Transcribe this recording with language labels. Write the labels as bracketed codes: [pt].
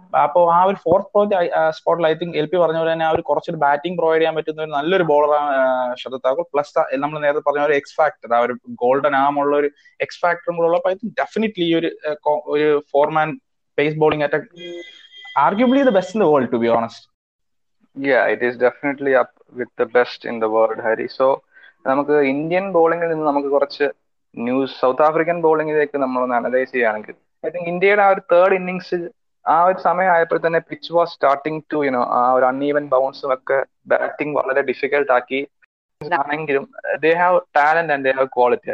[ml] അപ്പോൾ ആ ഒരു ഫോർത്ത് സ്പോട്ടിൽ [en] I think [ml] എൽ പി പറഞ്ഞ പോലെ തന്നെ ആ ഒരു കുറച്ചൊരു ബാറ്റിംഗ് പ്രൊവൈഡ് ചെയ്യാൻ പറ്റുന്ന ഒരു നല്ലൊരു ബോളറാണ് ശരത് താക്കൂർ. പ്ലസ് നമ്മൾ നേരത്തെ പറഞ്ഞ ഒരു എക്സ് ഫാക്ടർ, ആ ഒരു ഗോൾഡൻ ആം ഉള്ള ഒരു എക്സ് ഫാക്ടറും കൂടെ ഉള്ളപ്പോൾ [en] I think definitely [ml] ഒരു ഒരു four man pace bowling attack [en] Arguably the best in the world to be honest. Yeah, it is definitely up with the best in the world, Harry. [ml] So, നമുക്ക് Indian ബോളിംഗിൽ നിന്ന് നമുക്ക് കുറച്ച് news south African ബോളിംഗിലേക്ക് നമ്മൾ ഒന്ന് analyse ചെയ്യുകയാണെങ്കിൽ [en] I think [ml] ഇന്ത്യയുടെ ആ ഒരു തേർഡ് ഇന്നിങ്സ് ആ ഒരു സമയം ആയപ്പോൾ തന്നെ [en] pitch was starting to you know [ml] ആ ഒരു അൺഈവൻ ബൗൺസും ഒക്കെ ബാറ്റിംഗ് വളരെ ഡിഫിക്കൽട്ട് ആക്കി ആണെങ്കിലും [en] They have talent and they have quality.